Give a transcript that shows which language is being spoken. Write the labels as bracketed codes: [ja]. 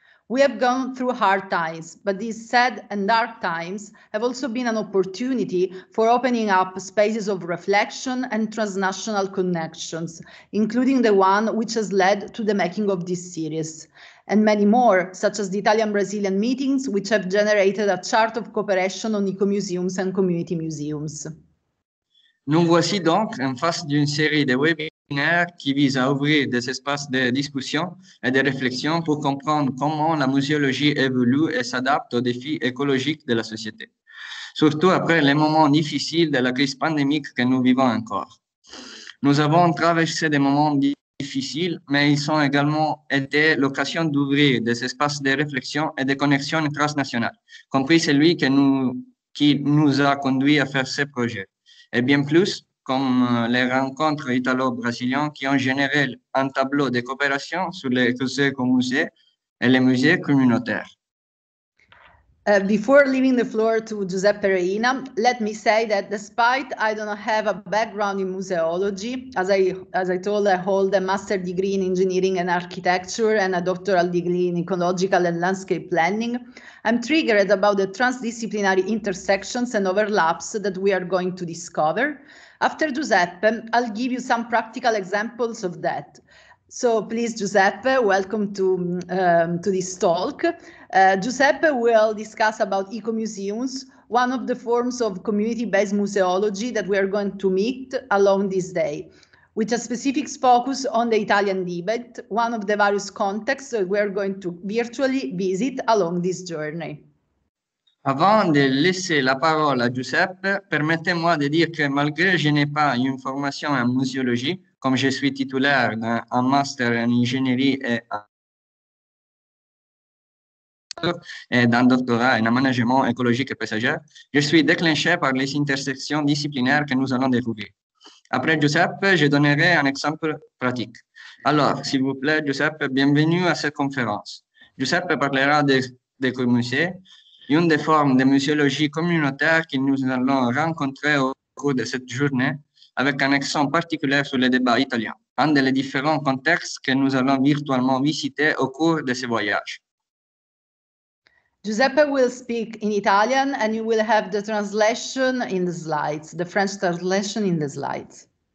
[en] We have gone through hard times, but these sad and dark times have also been an opportunity for opening up spaces of reflection and transnational connections, including the one which has led to the making of this series, and many more, such as the Italian-Brazilian meetings, which have generated a chart of cooperation on eco-museums and community museums. [fr] Nous voici donc en face d'une série de webinaires qui vise à ouvrir des espaces de discussion et de réflexion pour comprendre comment la muséologie évolue et s'adapte aux défis écologiques de la société, surtout après les moments difficiles de la crise pandémique que nous vivons encore. Nous avons traversé des moments difficiles, mais ils ont également été l'occasion d'ouvrir des espaces de réflexion et de connexion transnationales, compris celui qui nous a conduit à faire ce projet. Et bien plus, comme les rencontres italo-brésiliennes qui ont généré un tableau de coopération sur les écosystèmes et les musées communautaires. [en] Before leaving the floor to Giuseppe Reina, let me say that despite I don't have a background in museology, as I told, I hold a master degree in engineering and architecture and a doctoral degree in ecological and landscape planning, I'm triggered about the transdisciplinary intersections and overlaps that we are going to discover. After Giuseppe, I'll give you some practical examples of that. So please, Giuseppe, welcome to this talk. Giuseppe will discuss about eco-museums, one of the forms of community-based museology that we are going to meet along this day, with a specific focus on the Italian debate, one of the various contexts that we are going to virtually visit along this journey. [fr] Avant de laisser la parole à Giuseppe, permettez-moi de dire que malgré je n'ai pas une formation en muséologie, comme je suis titulaire d'un master en ingénierie et d'un doctorat en aménagement écologique et paysager, je suis déclenché par les intersections disciplinaires que nous allons découvrir. Après Giuseppe, je donnerai un exemple pratique. Alors, s'il vous plaît, Giuseppe, bienvenue à cette conférence. Giuseppe parlera des commissaires, une des formes de muséologie communautaire que nous allons rencontrer au cours de cette journée, avec un accent particulier sur les débats italiens, un des différents contextes que nous allons virtuellement visiter au cours de ce voyage. [en] Giuseppe will speak in Italian and you will have the translation in the slides, the French translation in the slides.